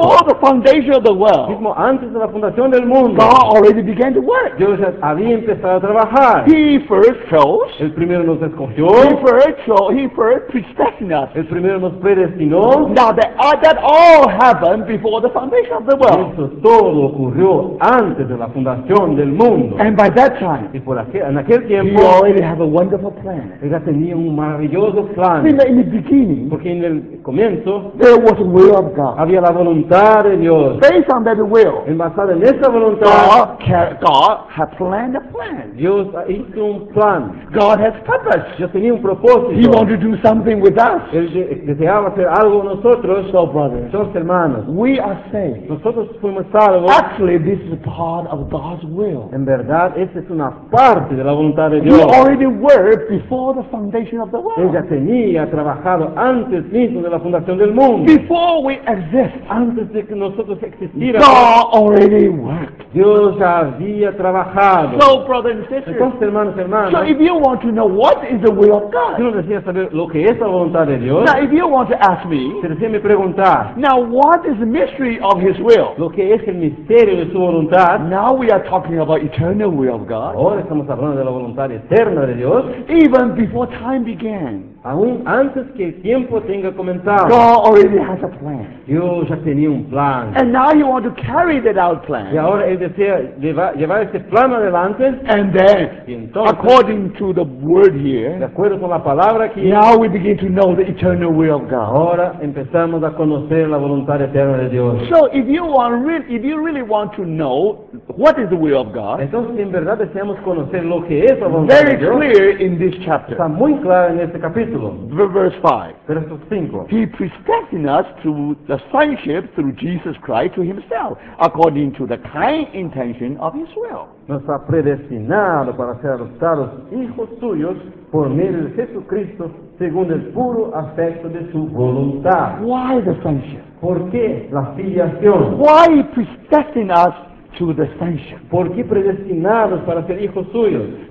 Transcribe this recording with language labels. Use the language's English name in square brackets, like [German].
[English] Before the foundation of the world. [Spanish] Mismo antes de la fundación del mundo. [English] God already began to work. [Spanish] Dios había empezado a trabajar. [English] He first chose. [Spanish] El primero nos escogió. [English] He first predestined us. [Spanish] El primero nos predestinó. [English] Now that all happened before the foundation of the world. [Spanish] Eso todo ocurrió antes de la fundación del mundo. [English] And by that time. [Spanish] Y por aquel tiempo. [English] He already had a wonderful plan. [Spanish] Él ya tenía un maravilloso plan. [English] In the beginning. [Spanish] Porque en el comienzo. [English] There was the will of God. [Spanish] Había la voluntad de Dios. [English] Based on that will, [Spanish] en basada en esa voluntad, [English] God had planned a plan. [Spanish] Dios hizo un plan. [English] God has purpose. [Spanish] Dios tenía un propósito. [English] He wanted to do something with us. [Spanish] Él deseaba hacer algo con nosotros. [English] So brothers, [Spanish] entonces, hermanos, [English] we are saved. [Spanish] Nosotros fuimos salvos. [English] Actually, this is part of God's will. [Spanish] En verdad, esa es una parte de la voluntad de Dios. [English] We already were before the foundation of the world. [Spanish] Ella tenía trabajado antes mismo de la fundación del mundo. [English] Before we exist, [Spanish] antes de que nosotros existiéramos, [English] God already worked. [Spanish] Dios ya había trabajado. [English] So, brothers and sisters, [Spanish] entonces, hermanos, hermanos, [English] so if you want to know what is the will of God, [Spanish] si uno desea saber lo que es la voluntad de Dios, [English] now if you want to ask me, [Spanish] si desea me preguntar, [English] now what is the mystery of His will? [Spanish] Lo que es el misterio de su voluntad. [English] Now we are talking about eternal will of God. [Spanish] Ahora estamos hablando de la voluntad eterna de Dios. [English] Even before time began, [Spanish] aún antes que el tiempo tenga comenzado, [English] God already has a plan. [Spanish] Dios ya tenía un plan. [English] And now you want to carry that out plan. [Spanish] Y ahora él desea llevar este plan adelante. [English] And then, [Spanish] entonces, [English] according to the word here, [Spanish] de acuerdo con la palabra aquí, [English] now we begin to know the eternal will of God. [Spanish] Ahora empezamos a conocer la voluntad eterna de Dios. [English] So if you really want to know what is the will of God, [Spanish] entonces en verdad deseamos conocer lo que es la voluntad [English] very [Spanish] de Dios. [English] Very clear in this chapter. [Spanish] Está muy claro en este capítulo. [English] Verse 5. He predestined us to the sonship through Jesus Christ to Himself, according to the kind intention of His will. [Spanish] Nos ha predestinado para ser adoptados hijos suyos por medio de Jesucristo, según el puro afecto de su voluntad. [English] Why the sonship? [Spanish] ¿Por qué la filiación? [English] Why predestined us to the sonship? [Spanish] ¿Por qué predestinados para ser hijos suyos?